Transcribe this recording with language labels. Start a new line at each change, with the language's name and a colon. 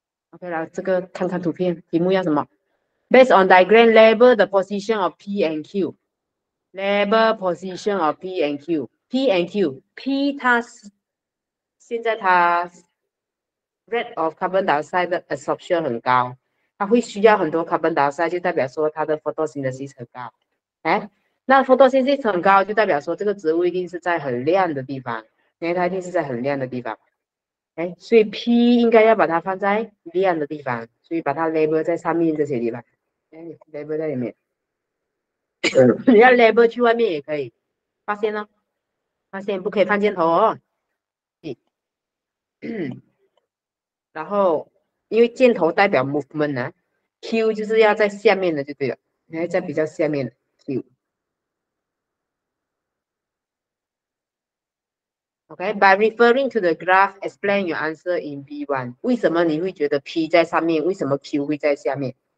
Chinese: OK, 来,这个看看图片,题目要什么?
English: Based on diagram, label the position of P and Q. Label position of P and Q.
Chinese: P and Q, P它, 现在它,
English: rate of carbon dioxide absorption
Chinese: 很高, 它会需要很多 carbon dioxide, 就代表说它的 photosynthesis 很高, 那 photosynthesis 很高，就代表说这个植物一定是在很亮的地方，因为它一定是在很亮的地方。所以 P 应该要把它放在亮的地方，所以把它 label 在上面这些地方，label 在里面。你要 label 去外面也可以，发现不可以放箭头哦。然后因为箭头代表 movement 啊 ，Q 就是要在下面的就对了，在比较下面的 Q。
English: Okay, by referring to the graph, explain your answer in B1.
Chinese: 为什么你会觉得 P 在上面, 为什么 Q 会在下面?